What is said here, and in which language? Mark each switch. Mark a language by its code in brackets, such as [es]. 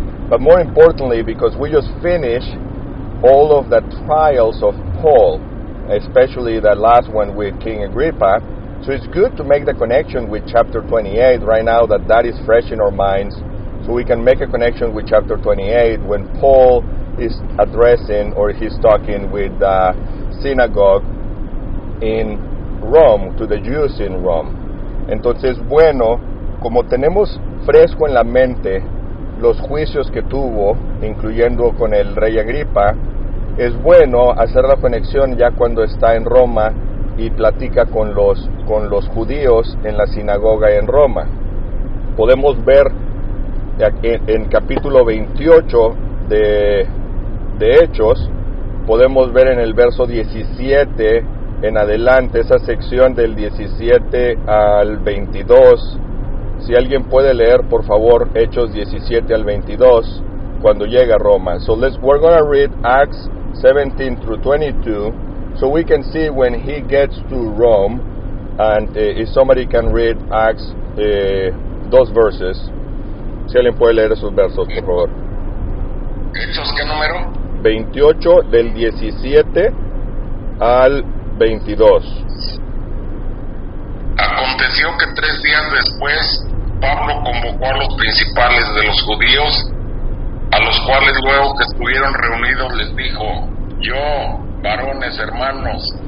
[en] But more importantly, because we just finished all of the trials of Paul, especially the last one with King Agrippa, so it's good to make the connection with chapter 28 right now, that is fresh in our minds, so we can make a connection with chapter 28 when Paul is addressing, or he's talking with the synagogue in Rome, to the Jews in Rome. [es] Entonces, bueno, como tenemos fresco en la mente los juicios que tuvo, incluyendo con el rey Agripa, es bueno hacer la conexión ya cuando está en Roma y platica con los judíos en la sinagoga en Roma. Podemos ver en capítulo 28 de Hechos, podemos ver en el verso 17 en adelante, esa sección del 17 al 22. Si alguien puede leer, por favor, Hechos 17 al 22, cuando llega a Roma. [en] So we're going to read Acts 17 through 22, so we can see when he gets to Rome, and if somebody can read Acts, those verses. [es] Si alguien puede leer esos versos, por favor. ¿Hechos qué número? 28, del 17 al 22. Aconteció que tres días después, Pablo convocó a los principales de los judíos, a los cuales luego que estuvieron reunidos les dijo: yo, varones, hermanos,